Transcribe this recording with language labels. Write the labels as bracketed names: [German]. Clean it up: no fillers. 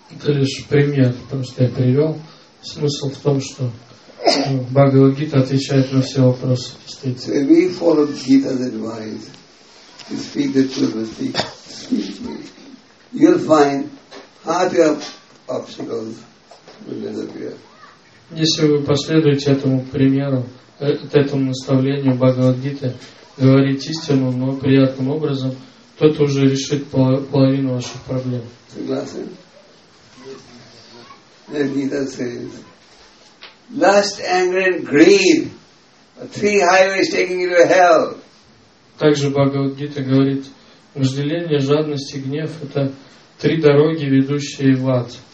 [Russian] Это лишь пример, потому что я привел. Смысл в том, что Бхагавад-гита отвечает на все вопросы. [English] So if we follow Gita's advice to speak the truth and speak sweetly, you'll find harder obstacles will disappear. [Russian] Если вы последуете этому примеру, этому наставлению Бхагавад-гиты, говорить истину, но приятным образом, тот уже решит половину ваших проблем. Согласен? [English] The Gita says, lust, anger and greed are three highways taking you to hell. [Russian] Также Бхагавад-гита говорит, вожделение, жадность и гнев – это три дороги, ведущие в ад.